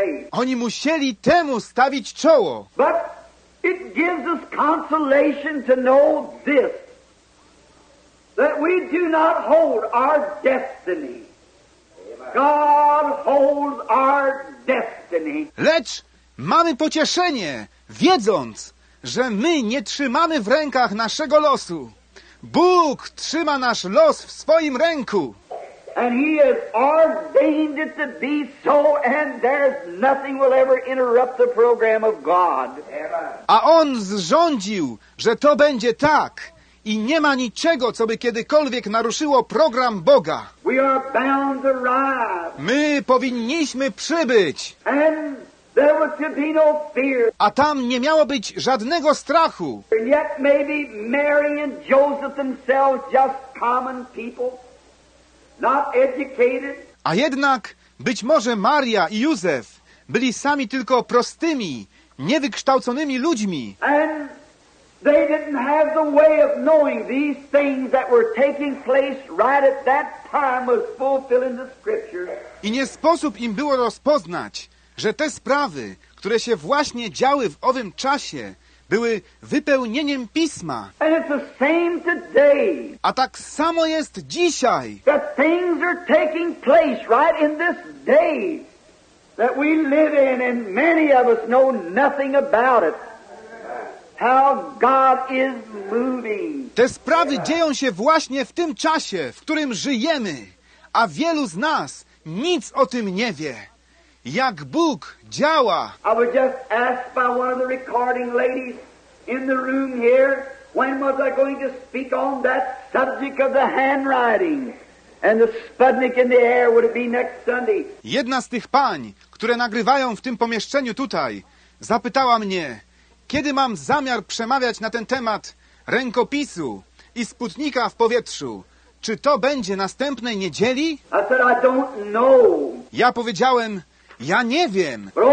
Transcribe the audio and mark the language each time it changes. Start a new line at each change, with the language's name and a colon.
Polish: Oni musieli temu stawić czoło.
English: But it gives us consolation to know this, that we do not hold our destiny. God holds our destiny.
Polish: Lecz mamy pocieszenie, wiedząc, że my nie trzymamy w rękach naszego losu. Bóg trzyma nasz los w swoim ręku.
English: And he has ordained it to be so, and there's nothing will ever interrupt the program of God.
Polish: A on zrządził, że to będzie tak, i nie ma niczego, co by kiedykolwiek naruszyło program Boga.
English: We are bound to arrive.
Polish: My powinniśmy przybyć.
English: And there was to be no fear.
Polish: A tam nie miało być żadnego strachu.
English: And yet maybe Mary and Joseph themselves just common people. Not educated.
Polish: A jednak być może Maria i Józef byli sami tylko prostymi, niewykształconymi ludźmi.
English: And they didn't have the way of knowing these things that were taking place right at that time was fulfilling the scriptures.
Polish: I nie sposób im było rozpoznać, że te sprawy, które się właśnie działy w owym czasie, były wypełnieniem Pisma.
English: And it's the same today.
Polish: A tak samo jest dzisiaj.
English: The things are taking place right in this day that we live in, and many of us know nothing about it. How God is moving.
Polish: Te sprawy dzieją się właśnie w tym czasie, w którym żyjemy, a wielu z nas nic o tym nie wie. Jak Bóg działa.
English: I was just asked by one of the recording ladies in the room here, when was I going to speak on that subject of the handwriting and the Sputnik in the air, would it be next Sunday?
Polish: Jedna z tych pań, które nagrywają w tym pomieszczeniu tutaj, zapytała mnie, kiedy mam zamiar przemawiać na ten temat rękopisu i Sputnika w powietrzu. Czy to będzie następnej niedzieli?
English: I said, I don't know.
Polish: Ja powiedziałem, ja nie wiem.